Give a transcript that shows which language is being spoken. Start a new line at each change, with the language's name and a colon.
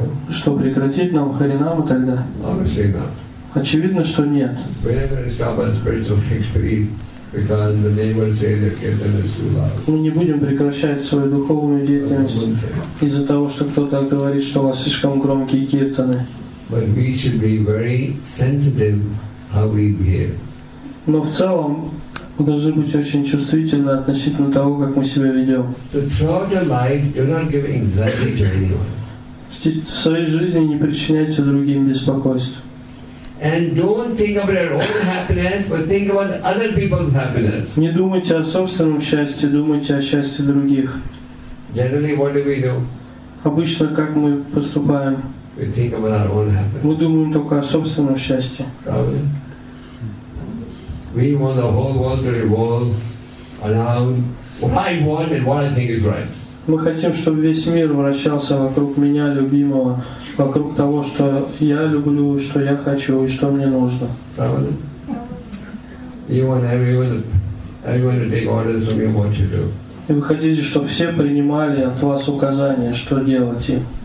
Russian: Что, прекратить нам Харинаму тогда?
English: Obviously not.
Russian: Очевидно, что нет.
English: We're not going to stop our spiritual experience because the neighbors say that Kirtan is too loud.
Russian: Мы не будем прекращать свою духовную деятельность из-за того, что кто-то говорит, что у вас слишком громкие киртаны.
English: But we should be very sensitive. How we behave.
Russian: Но в целом мы должны быть очень чувствительны относительно того, как мы себя ведем.
English: So throughout your life, do not give anxiety to anyone.
Russian: В своей жизни не причиняйте другим беспокойств.
English: And don't think about your own happiness, but think about other people's happiness.
Russian: Не думайте о собственном счастье, думайте о счастье других.
English: Generally, what do we do?
Russian: Обычно как мы поступаем?
English: We think about our own happiness.
Russian: Мы думаем только о собственном счастье.
English: We want the whole world to revolve around what I want and what I think is right.
Russian: Мы хотим, чтобы весь мир вращался вокруг меня, любимого, вокруг того, что я люблю, что я хочу и что мне нужно.
English: You want everyone to take orders from you what you do.
Russian: И вы хотите, чтобы все принимали от вас указания, что делать им.